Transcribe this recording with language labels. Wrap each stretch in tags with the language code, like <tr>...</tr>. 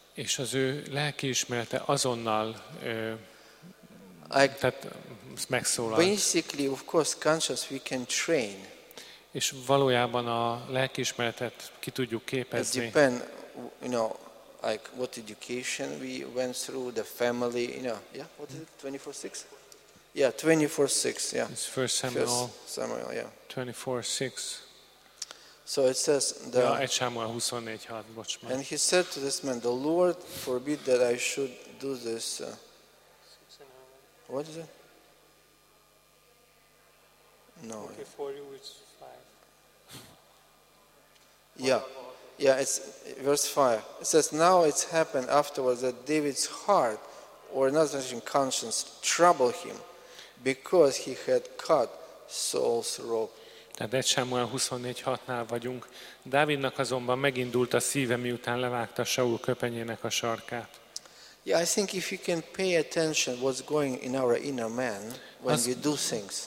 <hu>És az ő lelkiismerete azonnal tehát megszólalt.</hu> <en>Basically, of course, conscious we can train.</en> <hu>És valójában a lelkiismeretet ki tudjuk képezni.</hu> <en>It depend, like what education we went through, the family, what is it, 24:6? Yeah, 24:6, yeah. It's First Samuel, yeah. 24:6. So it says the Samuel 24:6, watch me. And he said to this man, the Lord forbid that I should do this. What is it? No. Okay, for you it's 5. Yeah. Yeah, it's verse 5. It says, now it's happened afterwards that David's heart, or not his conscience, troubled him because he had cut Saul's robe.</en> <hu>Tehát 1 Samuel 24:6-nál vagyunk. Dávidnak azonban megindult a szíve, miután levágta Saul köpenyének a sarkát.</hu> <en>Yeah, I think if you can pay attention what's going in our inner man when we do things.</en>